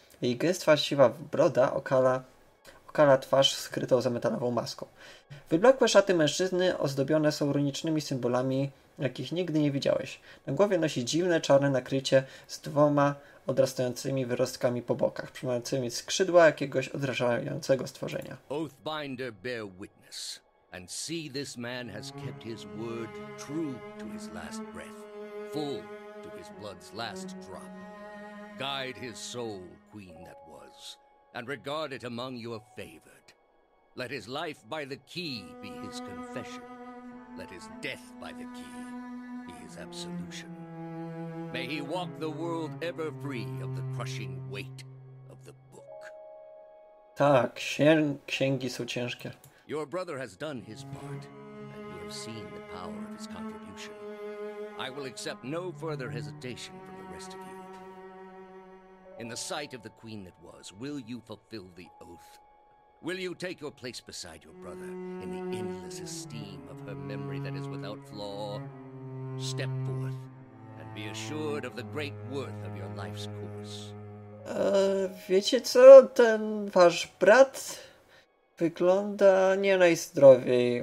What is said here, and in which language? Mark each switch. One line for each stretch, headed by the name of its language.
Polish: Jej gęsta, siwa broda okala twarz skrytą za metalową maską. Wyblakłe szaty mężczyzny ozdobione są runicznymi symbolami, jakich nigdy nie widziałeś. Na głowie nosi dziwne, czarne nakrycie z dwoma odrastającymi wyrostkami po bokach, przypominającymi skrzydła jakiegoś odrażającego stworzenia.
English: Oathbinder, bear witness. And see, this man has kept his word true to his last breath, full to his blood's last drop. Guide his soul, queen that was, and regard it among your favored. Let his life by the key be his confession. Let his death by the key be his absolution. May he walk the world ever free of the crushing weight of the book.
Polish: Tak, księgi są ciężkie.
English: Your brother has done his part, and you have seen the power of his contribution. I will accept no further hesitation from the rest of you. In the sight of the queen that was, will you fulfill the oath? Will you take your place beside your brother in the endless esteem of her memory that is without flaw? Step forth, and be assured of the great worth of your life's course.
Polish: Wiecie co? Ten wasz brat wygląda nie najzdrowiej.